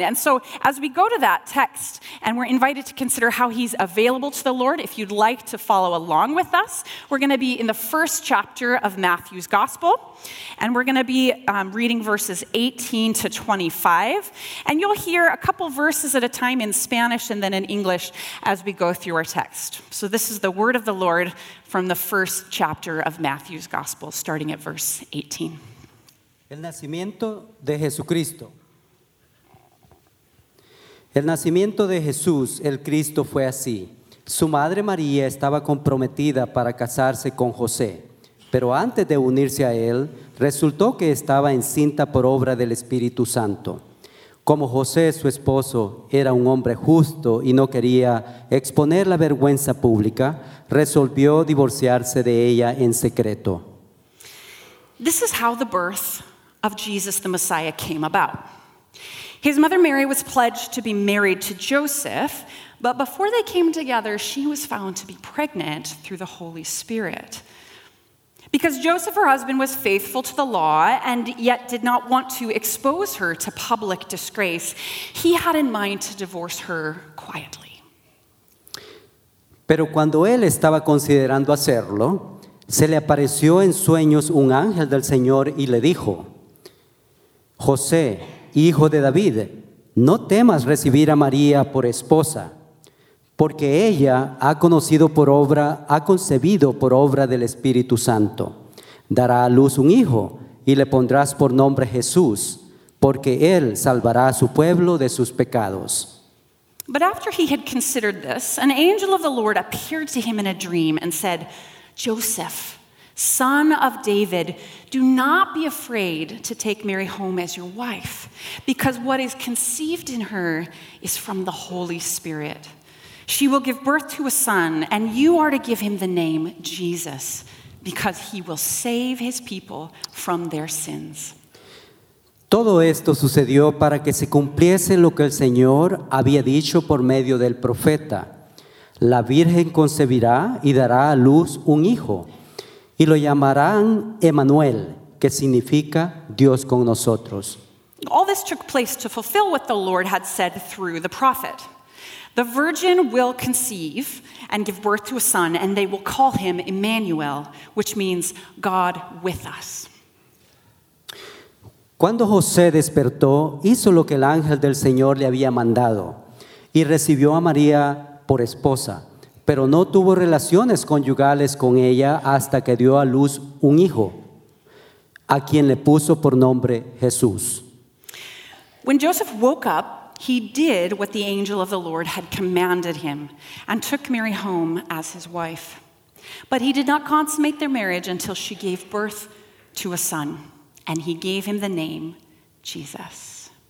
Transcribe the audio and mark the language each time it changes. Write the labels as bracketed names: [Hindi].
[English] And so, as we go to that text, and we're invited to consider how he's available to the Lord, if you'd like to follow along with us, we're going to be in the first chapter of Matthew's Gospel, and we're going to be reading verses 18 to 25, and you'll hear a couple verses at a time in Spanish and then in English as we go through our text. So this is the word of the Lord from the first chapter of Matthew's Gospel, starting at verse 18. [Spanish] El nacimiento de Jesucristo. El nacimiento de Jesús, el Cristo, fue así. Su madre María estaba comprometida para casarse con José, pero antes de unirse a él, resultó que estaba encinta por obra del Espíritu Santo. Como José, su esposo, era un hombre justo y no quería exponer la vergüenza pública, resolvió divorciarse de ella en secreto. [English] This is how the birth of Jesus the Messiah came about. His mother Mary was pledged to be married to Joseph, but before they came together, she was found to be pregnant through the Holy Spirit. Because Joseph, her husband, was faithful to the law and yet did not want to expose her to public disgrace, he had in mind to divorce her quietly. [Spanish] Pero cuando él estaba considerando hacerlo, se le apareció en sueños un ángel del Señor y le dijo, José, hijo de David, no temas recibir a María por esposa, porque ella ha concebido por obra del Espíritu Santo. Dará a luz un hijo y le pondrás por nombre Jesús, porque él salvará a su pueblo de sus pecados. [English] But after he had considered this, an angel of the Lord appeared to him in a dream and said, Joseph, son of David, do not be afraid to take Mary home as your wife, because what is conceived in her is from the Holy Spirit. She will give birth to a son, and you are to give him the name Jesus, because he will save his people from their sins. [Spanish] Todo esto sucedió para que se cumpliese lo que el Señor había dicho por medio del profeta. La Virgen concebirá y dará a luz un hijo, y lo llamarán Emmanuel, que significa Dios con nosotros. [English] All this took place to fulfill what the Lord had said through the prophet. The virgin will conceive and give birth to a son, and they will call him Emmanuel, which means God with us. [Spanish] Cuando José despertó, hizo lo que el ángel del Señor le había mandado, y recibió a María por esposa, pero no tuvo relaciones conyugales con ella hasta que dio a luz un hijo, a quien le puso por nombre Jesús. [English] When Joseph woke up, he did what the angel of the Lord had commanded him and took Mary home as his wife. But he did not consummate their marriage until she gave birth to a son, and he gave him the name Jesus.